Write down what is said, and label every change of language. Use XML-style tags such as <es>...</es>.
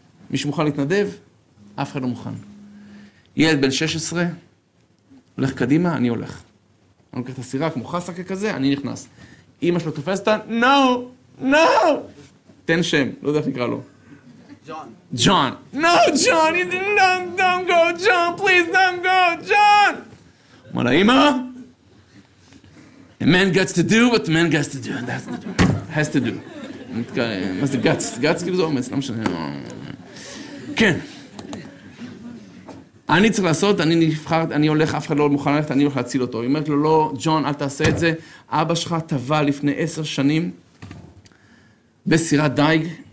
<he>מי שמוכן להתנדב, אף אחד לא מוכן. ילד בן 16, הולך קדימה, אני הולך. אני לוקח את הסירה, כמו חסק כזה, אני נכנס. אמא שלו תופסת, נו, נו! תן שם, לא יודע איך נקרא לו. ג'ון. נו, ג'ון,</he> <en>don't go,</en> <he>ג'ון, פליז, don't go, ג'ון! אמר לה, אמא,</he> <en>a man gets to do what a man gets to do, and that's not true. has to do.</en> <he>מה זה</he> <en>guts?</en> <he>guts כאילו זה אומץ, לא משנה. כן. אני צריך לעשות, אני נבחר, אני הולך, אף אחד לא מוכן ללכת, אני הולך להציל אותו. היא אומרת לו, לא, ג'ון, אל תעשה את זה. אבא שלך טבע לפני 10 שנים בסירת דייג.</he>